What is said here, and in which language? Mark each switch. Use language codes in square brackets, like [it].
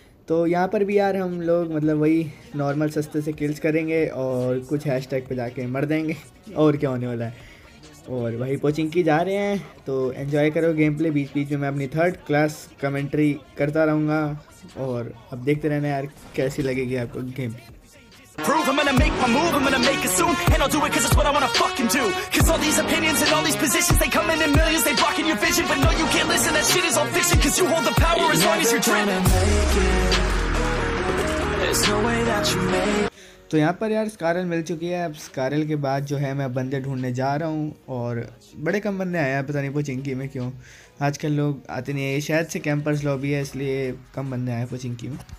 [hi] तो यहाँ पर भी यार हम लोग मतलब वही नॉर्मल सस्ते से किल्स करेंगे और कुछ हैशटैग पे जाके मर देंगे, और क्या होने वाला है। और वही पोचिंग की जा रहे हैं, तो एंजॉय करो गेम प्ले। बीच बीच में मैं अपनी थर्ड क्लास कमेंट्री करता रहूँगा, और अब देखते रहना यार कैसी लगेगी आपको game play. [en] Prove I'm gonna make my move, I'm gonna make it soon. And I'll do it cause it's what I wanna fucking do. Cause all these opinions and all these positions, they come in millions, they blocking your vision. But no, you can't listen, that shit is all fiction. Cause you hold the power as long as you're dreaming. There's no way that you make. [hi] तो यहाँ पर यार स्कारल मिल चुकी है। अब स्कारल के बाद जो है मैं बंदे ढूंढने जा रहा हूँ, और बड़े कम बंदे आए हैं, पता नहीं पोचिंकी में क्यों आजकल लोग आते नहीं है। शायद से कैंपर्स लॉबी है इसलिए कम बंदे आए हैं पोचिंकी में।